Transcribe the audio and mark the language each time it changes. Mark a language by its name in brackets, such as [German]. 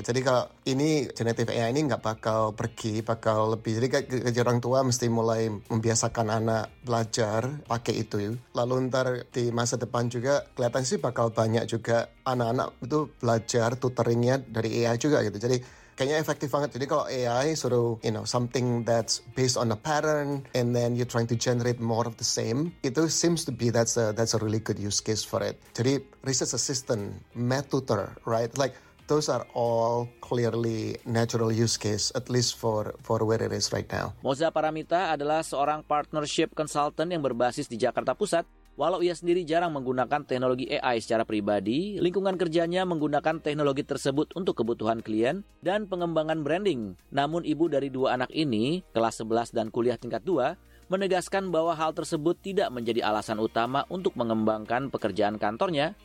[Indonesian] Jadi kalau ini generative AI ini nggak bakal pergi, bakal lebih. Jadi kayak orang tua mesti mulai membiasakan anak belajar pakai itu. Lalu ntar di masa depan juga kelihatan sih bakal banyak juga anak-anak itu belajar tutoringnya dari AI juga gitu. Jadi kayaknya efektif banget. Jadi kalau AI suruh, [English] something that's based on a pattern and then you're trying to generate more of the same, itu seems to be that's a really good use case for it. Jadi research assistant, math tutor, right? Like, those are all clearly natural use case, at least for where it is right now. [Indonesian] Moza Paramita adalah seorang partnership consultant yang berbasis di Jakarta Pusat. Walau ia sendiri jarang menggunakan teknologi AI secara pribadi, lingkungan kerjanya menggunakan teknologi tersebut untuk kebutuhan klien dan pengembangan branding. Namun ibu dari dua anak ini, kelas 11 dan kuliah tingkat 2, menegaskan bahwa hal tersebut tidak menjadi alasan utama untuk mengembangkan pekerjaan kantornya.